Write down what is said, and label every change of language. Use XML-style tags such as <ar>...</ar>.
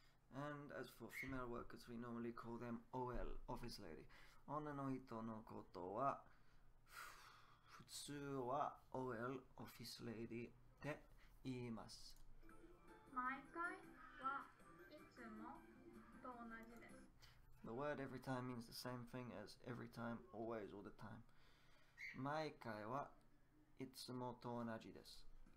<en>And as for female workers, we normally call them OL, office lady.</en> <ja>女の人のことは普通は OL, office lady って言います。毎回はいつもと同じです。</ja> <en>The word every time means the same thing as every time, always, all the time.</en> <ja>毎回はいつもと同じです。</ja>